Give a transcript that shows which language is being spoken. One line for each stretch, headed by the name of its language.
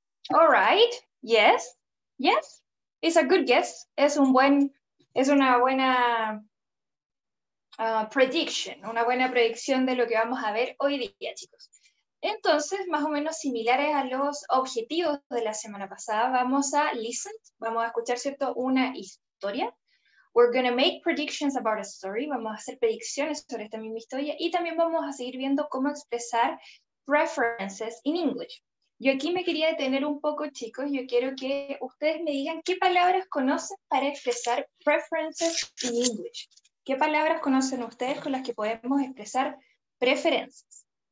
English: All right. Yes. Yes. It's a good guess.
Spanish: Es una buena prediction. Una buena predicción de lo que vamos a ver hoy día, chicos. Entonces, más o menos similares a los objetivos de la semana pasada, vamos a listen. Vamos a escuchar, ¿cierto? Una historia.
English: We're going to make predictions about a story.
Spanish: Vamos a hacer predicciones sobre esta misma historia. Y también vamos a seguir viendo cómo expresar
English: preferences in English.
Spanish: Yo aquí me quería detener un poco, chicos. Yo quiero que ustedes me digan qué palabras conocen para expresar
English: preferences in English.
Spanish: ¿Qué palabras conocen ustedes con las que podemos expresar preferences?